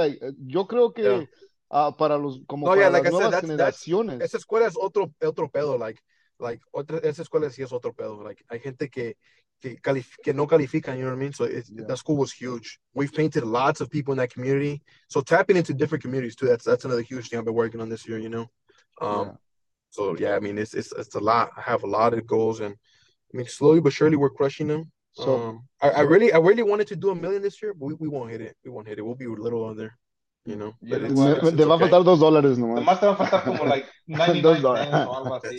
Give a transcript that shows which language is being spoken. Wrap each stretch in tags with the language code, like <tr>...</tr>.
<es>Like, yo creo que para los como para las nuevas generaciones. Esa escuela es otro pedo, like otra, esa escuela sí es otro pedo. Like, hay gente que no califican,</es> <en>you know what I mean? So that school was huge. We've painted lots of people in that community. So tapping into different communities too. That's another huge thing I've been working on this year. You know, So yeah, I mean it's a lot. I have a lot of goals, and I mean slowly but surely we're crushing them. So I really wanted to do a million this year, but we won't hit it. We won't hit it. We'll be a little under, you know.</en> <es>Te va a faltar $2 nomás. Nomás te va a faltar como</es> <en>like 99 cents or</en> <es>algo así.</es>